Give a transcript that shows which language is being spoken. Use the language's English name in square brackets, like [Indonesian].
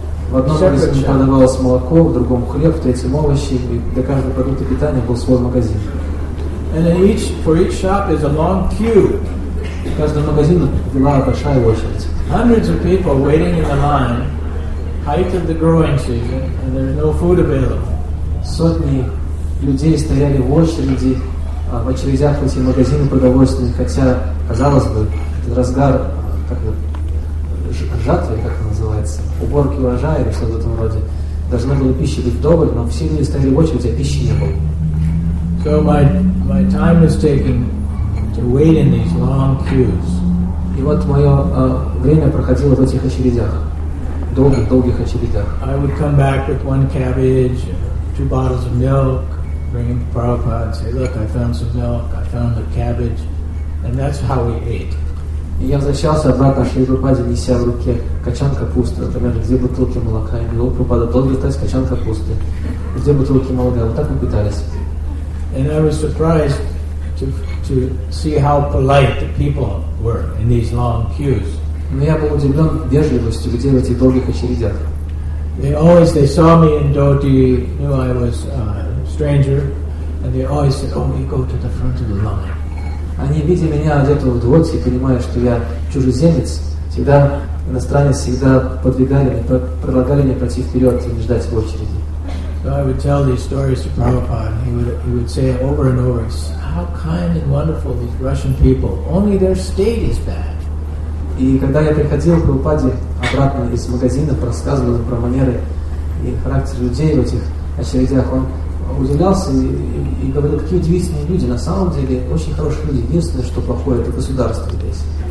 [Russian] В одном магазине продавалось молоко, в другом хлеб, в третьем овощи, и для каждого продукта питания был свой магазин. [English] And for each shop is a long queue. [Russian] В каждом магазине была большая очередь. [English] Hundreds of people waiting in the line, height of the growing season, and there's no food available. [Russian] Сотни людей стояли в очереди, в очередях в эти магазины продовольственные, хотя, казалось бы, этот разгар, как бы, жатвы, как это называется, уборки урожая или что-то в этом роде. Должно было пищи быть вдоволь, но все люди стояли в очереди, а пищи не было. [English] So my time is taken to wait in these long queues. [Russian] И вот мое время проходило в этих очередях, долгих очередях. [English] I would come back with 1 cabbage, 2 bottles of milk, bring him to Prabhupada and say, look, I found some milk, I found the cabbage, and that's how we ate. [Russian] И я возвращался обратно к Шри Прабхупаде, неся в руке качан капусты, например, 2 бутылки молока. И говорил, Прабхупада, должен достать качан капусты, 2 бутылки молока. Вот так мы питались. [English] And I was surprised to see how polite the people were in these long queues. [Russian] Но я был удивлен вежливостью людей в этих долгих очередях. [English] They always they saw me in Doti, knew I was a stranger, and they always said, "Oh, you go to the front of the line." [Russian] Они видя меня одетого в Доти, понимая, что я чужеземец, всегда иностранец всегда подвигали мне, предлагали мне пойти вперед и не ждать в очереди. [English] So I would tell these stories to Prabhupada. He would say over and over, "How kind and wonderful these Russian people! Only their state is bad." [Russian] И когда я приходил к Прабхупаде обратно из магазина, рассказывал про манеры и характер людей в этих очередях, он удивлялся и говорил, какие удивительные люди, на самом деле очень хорошие люди, единственное, что плохое, это государство здесь.